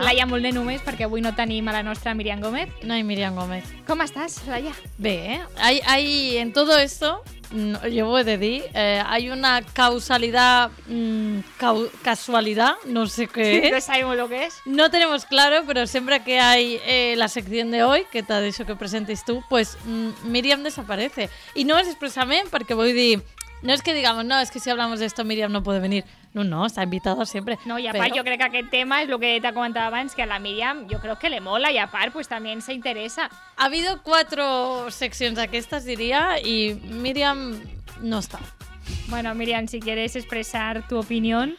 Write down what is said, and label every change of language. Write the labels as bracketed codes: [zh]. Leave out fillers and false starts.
[ca] Laia Molné només, perquè avui no tenim a la nostra Miriam Gómez. [es] No hay Miriam Gómez. [ca] Com estàs, Laia? Bé, eh? [es] Hay, en todo esto, yo voy a decir, hay una causalidad, casualidad, no sé qué es. No sabemos lo que es. No tenemos claro, pero siempre que hay la sección de hoy, que te ha dicho que presentes tú, pues Miriam desaparece. Y no es expresamente porque voy a decir, no es que digamos, no, es que si hablamos de esto Miriam no puede venir. [ca] No, no, està invitada sempre. No, i a part, jo crec que aquest tema és el que t'ha comentat abans, que a la Miriam jo crec que li mola i a part, pues, també se interessa. [es] Ha habido cuatro [ca] seccions aquestes, diria, i Miriam no està. [es] Bueno, Miriam, si quieres expresar tu opinió...